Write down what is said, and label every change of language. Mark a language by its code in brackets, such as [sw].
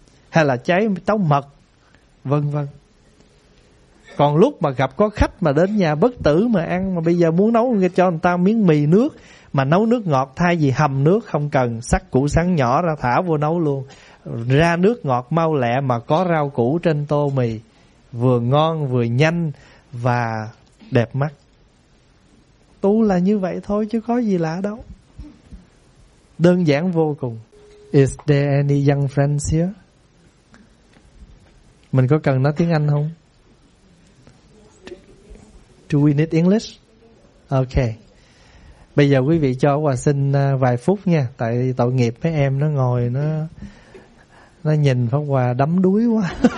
[vi] Hay là trái táo mật, vân vân. Còn lúc mà gặp có khách mà đến nhà bất tử mà ăn, mà bây giờ muốn nấu cho người ta miếng mì nước, mà nấu nước ngọt thay vì hầm nước, không cần sắc củ sắn nhỏ ra thả vô nấu luôn. Ra nước ngọt mau lẹ mà có rau củ trên tô mì, vừa ngon vừa nhanh và đẹp mắt. Tu là như vậy thôi chứ có gì lạ đâu. Đơn giản vô cùng. [en] Is there any young friends here? [vi] Mình có cần nói tiếng Anh không? [en] Do we need English? Okay. [vi] Bây giờ quý vị cho Hòa xin vài phút nha, tại tội nghiệp mấy em nó ngồi nó nhìn Pháp Hòa đắm đuối quá.